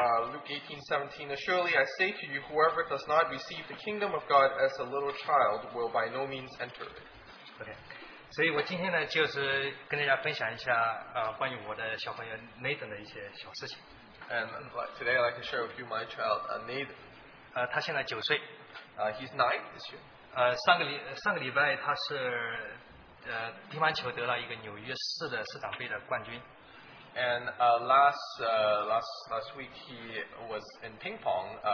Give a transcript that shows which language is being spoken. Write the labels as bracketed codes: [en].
[en] Luke 18:17. Assuredly, I say to you, whoever does not receive the kingdom of God as a little child will by no means enter it. Okay. [zh] 所以我今天呢，就是跟大家分享一下， 关于我的小朋友 Nathan 的一些小事情。 [en] And today I'd like to share with you my child Nathan. [zh] 他现在九岁。 [en] He's 9 this year. [zh] 上个礼拜他是 乒乓球得了一个纽约市的市长杯的冠军。 [en] And last week he was in ping pong.